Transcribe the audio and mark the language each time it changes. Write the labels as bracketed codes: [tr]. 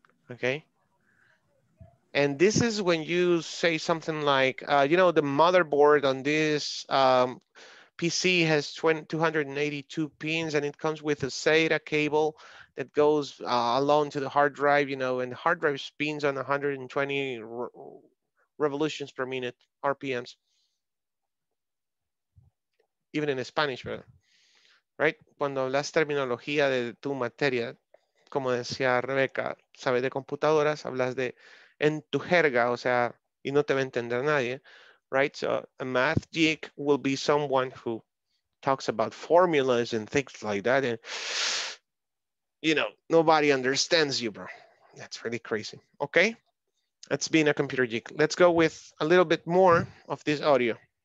[en] Okay. And this is when you say something like, you know, the motherboard on this PC has 282 pins, and it comes with a SATA cable that goes along to the hard drive, you know, and the hard drive spins on 120 revolutions per minute, RPMs. Even in Spanish, right? [es] Cuando hablas terminología de tu materia, como decía Rebeca, sabes de computadoras, hablas de en tu jerga, o sea, y no te va a entender nadie, [en] right? So a math geek will be someone who talks about formulas and things like that, and you know, nobody understands you, bro. That's really crazy. Okay, that's being a computer geek. Let's go with a little bit more of this audio.